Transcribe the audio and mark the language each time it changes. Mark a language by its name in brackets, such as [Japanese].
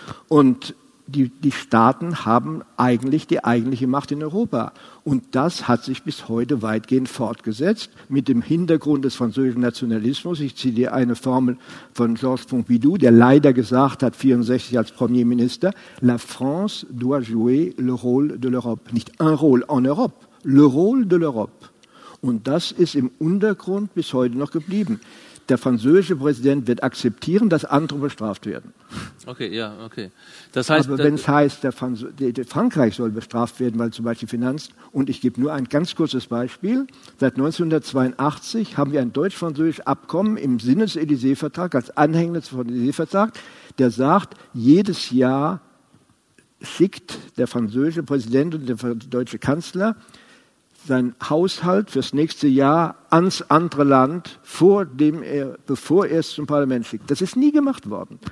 [German] Und die Staaten haben eigentlich die eigentliche Macht in Europa. Und das hat sich bis heute weitgehend fortgesetzt mit dem Hintergrund des französischen Nationalismus. Ich zitiere eine Formel von Georges Pompidou, der leider gesagt hat, 64 als Premierminister, [French] La France doit jouer le rôle de l'Europe. Nicht un rôle en Europe, le rôle de l'Europe. [German] Und das ist im Untergrund bis heute noch geblieben. Der französische Präsident wird akzeptieren, dass andere bestraft werden. Okay, ja, okay. Das heißt, aber wenn es heißt, Frankreich soll bestraft werden, weil zum Beispiel Finanzen, und ich gebe nur ein ganz kurzes Beispiel, seit 1982 haben wir ein deutsch-französisches Abkommen im Sinne des Élysée-Vertrags, als Anhänger des Élysée-Vertrags, der sagt, jedes Jahr schickt der französische Präsident und der deutsche Kanzler sein Haushalt fürs nächste Jahr ans andere Land, bevor er es zum Parlament schickt. Das ist nie gemacht worden.